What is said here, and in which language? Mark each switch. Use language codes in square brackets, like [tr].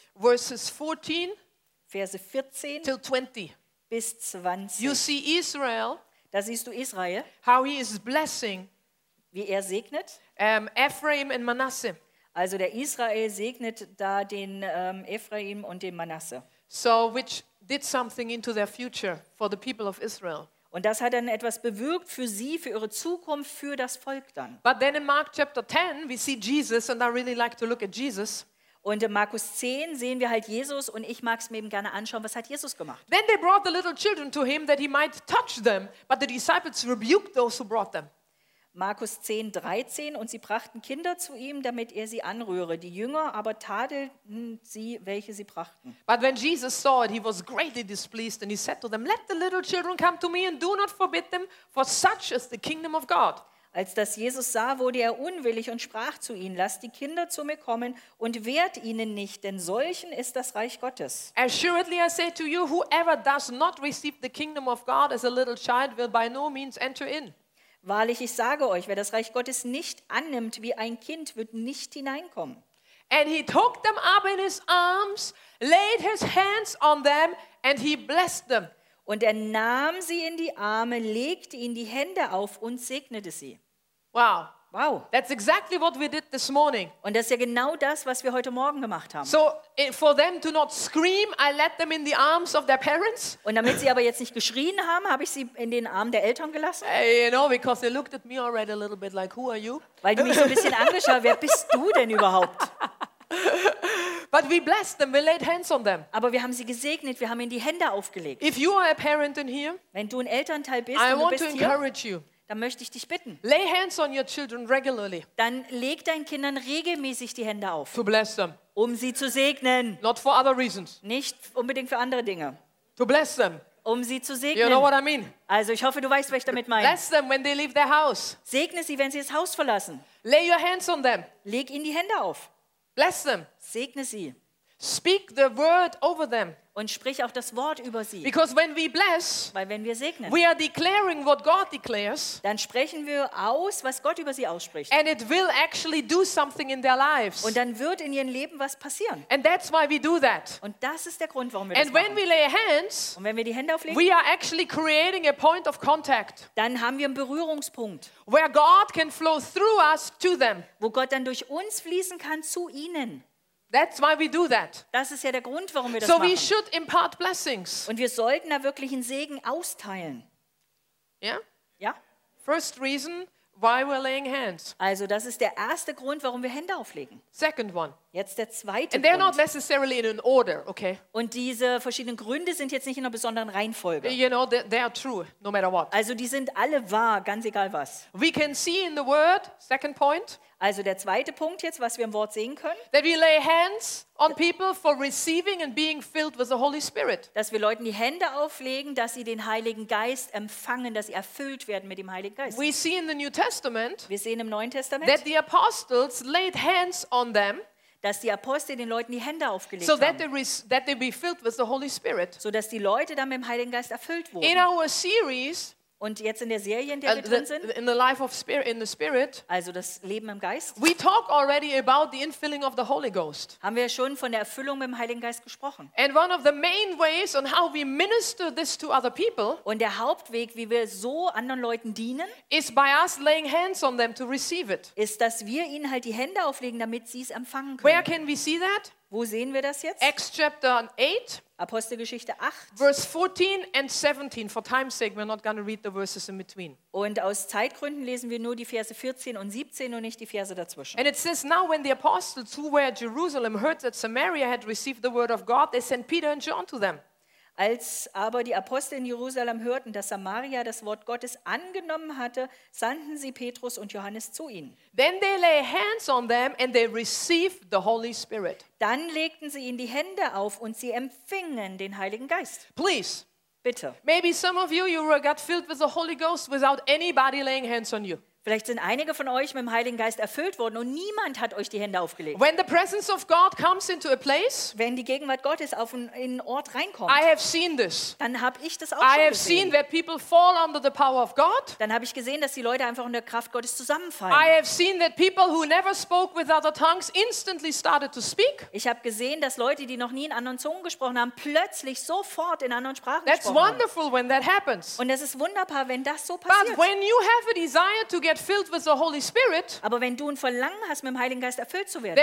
[en] Verses 14. Verse 14 till 20. [de] Bis 20. [en] You see Israel, [de] da siehst du Israel, [en] how he is blessing, [de] wie er segnet, [en] Ephraim and Manasseh. [de] Also der Israel segnet da den Ephraim und den Manasseh. [en] So which did something into their future for the people of Israel. [de] Und das hat dann etwas bewirkt für sie, für ihre Zukunft, für das Volk dann. [en] But then in Mark chapter 10 we see Jesus and I really like to look at Jesus. [de] Und in Markus 10 sehen wir halt Jesus und ich mag es mir eben gerne anschauen, was hat Jesus gemacht? [en] Then they brought the little children to him that he might touch them, but the disciples rebuked those who brought them. [de] Markus 10, 13, und sie brachten Kinder zu ihm, damit er sie anrühre. Die Jünger aber tadelten sie, welche sie brachten. [en] But when Jesus saw it, he was greatly displeased and he said to them, let the little children come to me and do not forbid them, for such is the kingdom of God. [de] Als das Jesus sah, wurde er unwillig und sprach zu ihnen, lasst die Kinder zu mir kommen und wehrt ihnen nicht, denn solchen ist das Reich Gottes. [en] Assuredly I say to you, whoever does not receive the kingdom of God as a little child will by no means enter in. [de] Wahrlich, ich sage euch, wer das Reich Gottes nicht annimmt wie ein Kind, wird nicht hineinkommen. [en] And he took them up in his arms, laid his hands on them and he blessed them. [de] Und er nahm sie in die Arme, legte ihnen die Hände auf und segnete sie. [en] Wow. [de] Wow. [en] That's exactly what we did this morning. [de] Und das ist ja genau das, was wir heute Morgen gemacht haben. [en] So, for them to not scream, I let them in the arms of their parents. [de] Und damit sie aber jetzt nicht geschrien haben, habe ich sie in den Armen der Eltern gelassen. [en] You know, because they looked at me already a little bit like, who are you? [de] Weil die mich so ein bisschen angeschaut haben, wer bist du denn überhaupt? [en] But we blessed them. We laid hands on them. [de] Aber wir haben sie gesegnet. Wir haben ihnen die Hände aufgelegt. [en] If you are a parent in here, [de] wenn du ein Elternteil bist, [en] I want [de] bist [en] to encourage [de] hier, [en] you. [de] Dann möchte ich dich bitten. [en] Lay hands on your children regularly. [de] Dann leg deinen Kindern regelmäßig die Hände auf. [en] To bless them. [de] Um sie zu segnen. [en] Not for other reasons. [de] Nicht unbedingt für andere Dinge. [en] To bless them. [de] Um sie zu segnen. [en] You know what I mean? [de] Also ich hoffe, du weißt, was ich damit meine. [en] Bless them when they leave their house. [de] Segne sie, wenn sie das Haus verlassen. [en] Lay your hands on them. [de] Leg ihnen die Hände auf. [en] Bless them. [de] Segne sie. [en] Speak the word over them. [de] Und sprich auch das Wort über sie. [en] Because when we bless, [de] weil wenn wir segnen, [en] we are declaring what God declares. [de] Dann sprechen wir aus, was Gott über sie ausspricht. [en] And it will actually do something in their lives. [de] Und dann wird in ihrem Leben was passieren. [en] And that's why we do that. [de] Und das ist der Grund, warum wir [en] and [de] das machen. [en] And when we lay hands, [de] und wenn wir die Hände auflegen, [en] we are actually creating a point of contact. [de] Dann haben wir einen Berührungspunkt. [en] Where God can flow through us to them. [de] Wo Gott dann durch uns fließen kann zu ihnen. [en] That's why we do that. [de] Das ist ja der Grund, warum wir das so machen. [en] So we should impart blessings. [de] Und wir sollten da wirklich einen Segen austeilen. [en] Yeah? [de] Ja? [en] First reason why we're laying hands. [de] Also, das ist der erste Grund, warum wir Hände auflegen. [en] Second one. [de] Jetzt der zweite Grund. [en] And they're not necessarily in an order, okay? [de] Und diese verschiedenen Gründe sind jetzt nicht in einer besonderen Reihenfolge. [en] You know, they are true, no matter what. [de] Also, die sind alle wahr, ganz egal was. [en] We can see in the word, second point. [de] Also der zweite Punkt jetzt, was wir im Wort sehen können. [en] That we lay hands on people for receiving and being filled with the Holy Spirit. [de] Dass wir Leuten die Hände auflegen, dass sie den Heiligen Geist empfangen, dass sie erfüllt werden mit dem Heiligen Geist. [en] We see in the New Testament. [de] Wir sehen im Neuen Testament. [en] That the apostles laid hands on them. [de] Dass die Apostel den Leuten die Hände aufgelegt [en] so [de] haben. [en] That they be filled with the Holy Spirit. [de] So dass die Leute dann mit dem Heiligen Geist erfüllt wurden. [en] In our series. [de] Und jetzt in der Serie, in der wir drin sind, [en] in the life of spirit, in the spirit, [de] also das Leben im Geist, [en] we talk already about the infilling of the Holy Ghost. [de] Haben wir schon von der Erfüllung mit dem Heiligen Geist gesprochen. [en] And one of the main ways on how we minister this to other people, [de] und der Hauptweg, wie wir so anderen Leuten dienen, [en] is by us laying hands on them to receive it. [de] Ist, dass wir ihnen halt die Hände auflegen, damit sie es empfangen können. [en] Where can we see that? [de] Wo sehen wir das jetzt? [en] Acts chapter 8. [de] Apostelgeschichte 8. [en] Verse 14 and 17. For time's sake, we're not going to read the verses in between. [de] Und aus Zeitgründen lesen wir nur die Verse 14 und 17 und nicht die Verse dazwischen. [en] And it says, now when the apostles who were at Jerusalem heard that Samaria had received the word of God, they sent Peter and John to them. [de] Als aber die Apostel in Jerusalem hörten, dass Samaria das Wort Gottes angenommen hatte, sandten sie Petrus und Johannes zu ihnen. [en] Then they lay hands on them and they received the Holy Spirit. [de] Dann legten sie ihnen die Hände auf und sie empfingen den Heiligen Geist. [en] Please. [de] Bitte. [en] Maybe some of you, you got filled with the Holy Ghost without anybody laying hands on you. [de] Vielleicht sind einige von euch mit dem Heiligen Geist erfüllt worden und niemand hat euch die Hände aufgelegt. [en] When the presence of God comes into a place, [de] wenn die Gegenwart Gottes auf einen Ort reinkommt, [en] I have seen this. [de] Dann habe ich das auch schon gesehen. [en] I have seen that people fall under the power of God. [de] Dann habe ich gesehen, dass die Leute einfach unter der Kraft Gottes zusammenfallen. [en] I have seen that people who never spoke with other tongues instantly started to speak. [de] Ich habe gesehen, dass Leute, die noch nie in anderen Zungen gesprochen haben, plötzlich sofort in anderen Sprachen [en] That's [de] gesprochen [en] wonderful [de] haben. [en] When that happens. [de] Und es ist wunderbar, wenn das so passiert. [en] But when you have a desire to get filled with the Holy Spirit. [de] Aber wenn du ein Verlangen hast, mit dem Heiligen Geist erfüllt zu werden.